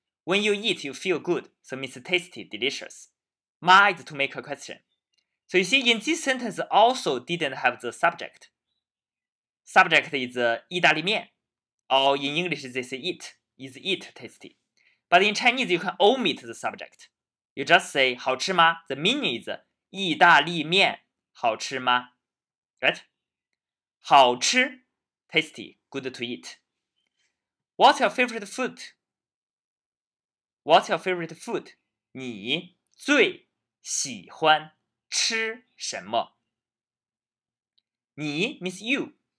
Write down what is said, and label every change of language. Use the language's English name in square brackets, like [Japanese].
[English] When you eat, you feel good. So means tasty, delicious. 妈 is to make a question. So you see, in this sentence also didn't have the subject. Subject is 意大利面. Or in English, they say eat. Is eat tasty? But in Chinese, you can omit the subject. You just say [Chinese] 好吃吗? [English] The meaning is [Chinese] 意大利面好吃吗? [English] Right? 好吃 tasty, good to eat. What's your favorite food? What's your favorite food? [Chinese] 你最喜欢吃什么?你 [English] means you.